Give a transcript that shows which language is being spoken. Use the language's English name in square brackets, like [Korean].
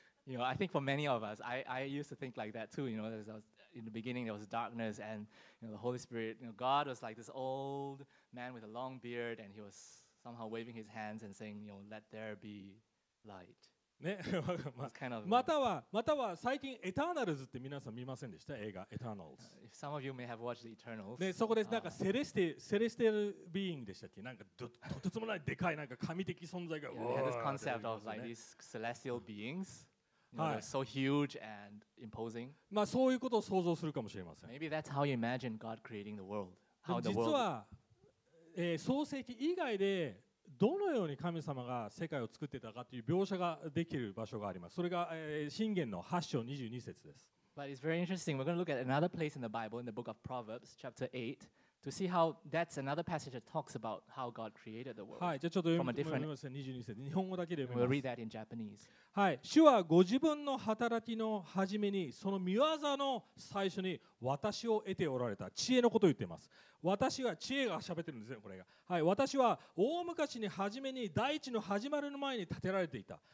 [English] You know, I think for many of us, I used to think like that too. You know, there was, in the beginning there was darkness and you know, the Holy Spirit, you know, God was like this old man with a long beard and he was somehow waving his hands and saying, you know, let there be light. [Japanese] ね、または最近エターナルズって皆さん見ませんでした？映画エターナルズ。 [English] If some of you may have watched the Eternals. [Japanese] ね、そこでなんかセレスティアルビーイングでしたっけ？なんか とてつもないでかいなんか神的存在が。 [English] Yeah, they had this concept of like these celestial beings. You know, so huge and imposing. [Japanese] まあそういうことを想像するかもしれません。 [English] Maybe that's how you imagine God creating the world. How the world. [Japanese] 実は、創世記以外で。どのように神様が世界を作っていたかという描写ができる場所があります。それが箴言の8章22節です。 [English] But it's very interesting. We're going to look at another place in the Bible, in the book of Proverbs, chapter 8, To see how that's another passage that talks about how God created the world、 [Japanese] はい、 [English] from a different. [Japanese] 22節、日本語だけで読みます。 [English] We'll read that in Japanese. [Japanese] はい、主はご自分の働きの始めに、その御業の最初に私を得ておられた。知恵のことを言っています。私は知恵が喋ってるんですよ、これが。はい、私は大昔に初めに大地の始まりの前に建てられていた。